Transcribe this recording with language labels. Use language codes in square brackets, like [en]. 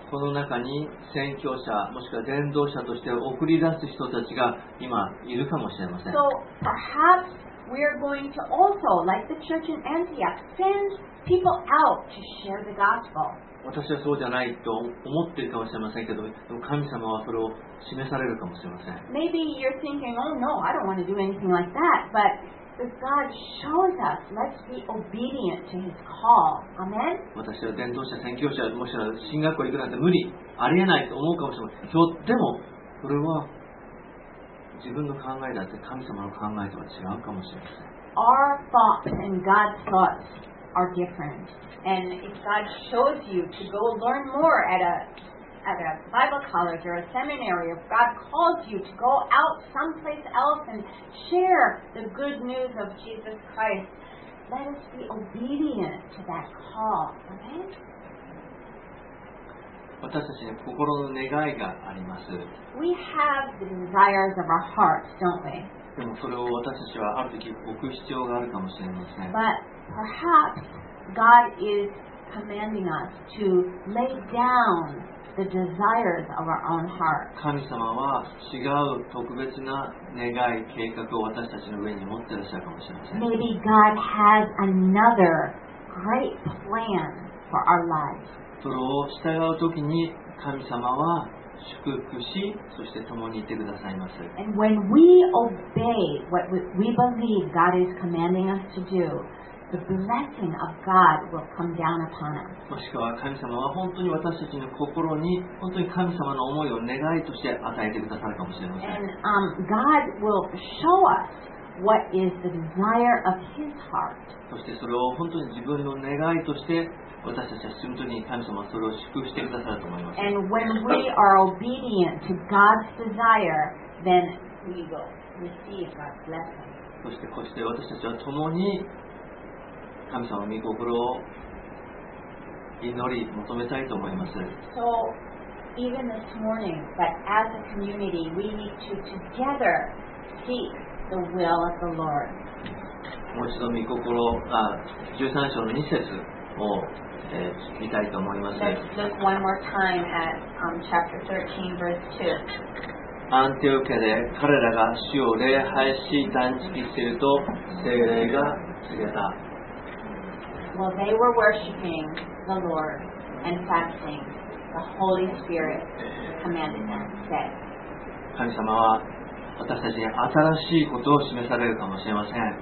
[ja] この中に宣教者、もしくは伝道者として送り出す人たちが今いるかもしれません。 [en] So perhaps we are going to also, like the church in Antioch, send people out to share the gospel. [ja] 私はそうじゃないと思っているかもしれませんけど、でも神様はそれを示されるかもしれません。 [en] Maybe you're thinking, oh no, I don't want to do anything like that. But If God shows us, let's be obedient to His call. Amen. [ja] 私は伝道者、宣教者、もしくは神学校行くなんて無理、ありえないと思うかもしれません。とってもこれは自分の考えだって神様の考えとは違うかもしれません。 [en] Our thoughts and God's thoughts are different. And if God shows you to go learn more at a Bible college or a seminary, if God calls you to go out someplace else and share the good news of Jesus Christ, let us be obedient to that call. Okay? [ja] 私たちに心の願いがあります。 [en] We have the desires of our hearts, don't we? [ja] でもそれを私たちはある時置く必要があるかもしれません。 [en] But perhaps God is commanding us to lay down the desires of our own heart. [ja] 神様は違う特別な願い、計画を私たちの上に持っていらっしゃるかもしれません。 [en] Maybe God has another great plan for our lives. [ja] それを従う時に神様は祝福し、そして共にいてくださいます。 [en] And when we obey what we believe God is commanding us to do, the blessing of God will come down upon us. [ja] もしくは神様は本当に私たちの心に本当に神様の思いを願いとして与えてくださるかもしれません。 [en] And God will show us what is the desire of His heart. [ja] そしてそれを本当に自分の願いとして私たちは進むときに神様はそれを祝福してくださると思います。 [en] And when we are obedient to God's desire, then we will receive God's blessing. [ja] そしてこうして私たちは共に神様の御心を祈り求めたいと思います。 [en] So even this morning, but as a community, we need to together seek the will of the Lord. [ja] もう一度御心を十三章の二節を見たいと思います。 [en] Let's look one more time at chapter 13, verse 2. [ja] アンティオキアで彼らが主を礼拝し断食していると聖霊が告げた。 [en] Well, they were worshiping the Lord and fasting. The Holy Spirit commanded them, said. [ja] 神様は私たちに新しいことを示されるかもしれません。